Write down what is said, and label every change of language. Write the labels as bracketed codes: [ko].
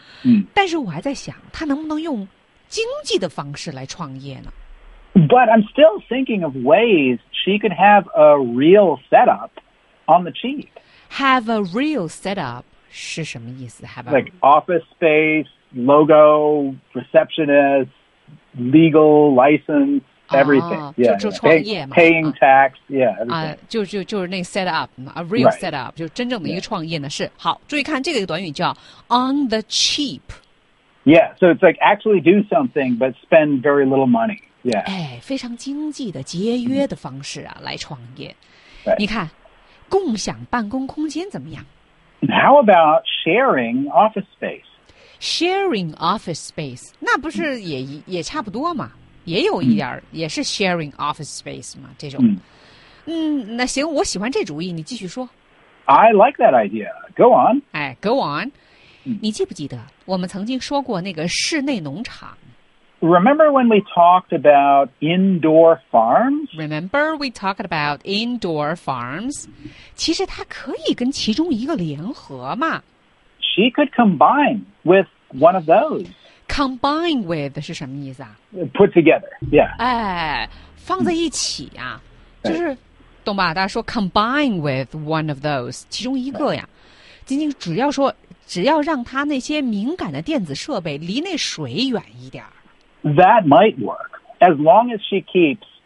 [zh] 嗯、但是我还在想他能不能用经济的方式来创业呢 [en] But I'm still thinking of ways she could have a real setup on the cheap Have a real setup [zh] 是什么意思 [en] have a... Like office space, logo, receptionist, legal license Everything, yeah. Paying tax, yeah. [zh] 就是那 [en] set up, a real set up, [zh] 就真正的一个创业呢、 right. 是好。注意看这个短语叫 on the cheap. [en] Yeah, so it's like actually do something but spend very little money. Yeah. [zh] 哎，非常经济的节约的方式啊、mm-hmm. 来创业。 Right. 你看，共享办公空间怎么样 [en] ？How about sharing office space? Sharing office space, [zh] 那不是也、mm-hmm. 也差不多吗？也有一点、嗯、也是 [en] sharing office space [zh] 嘛这种嗯那行我喜欢这主意你继续说 [en] I like that idea go on 哎 go on、嗯、 [zh] 你记不记得我们曾经说过那个室内农场 [en] remember when we talked about indoor farms remember we talked about indoor farms [zh] 其实它可以跟其中一个联合嘛 [en] she could combine with one of those Combine with [zh] 是什么意思啊 [en] ？Put together, yeah. [zh] 哎，放在一起啊， mm. 就是，懂吧？大家说 [en] combine with one of those， [zh] 其中一个呀。仅仅只要说，只要让它那些敏感的电子设备离那水远一点。 [en] That might work as long as she keeps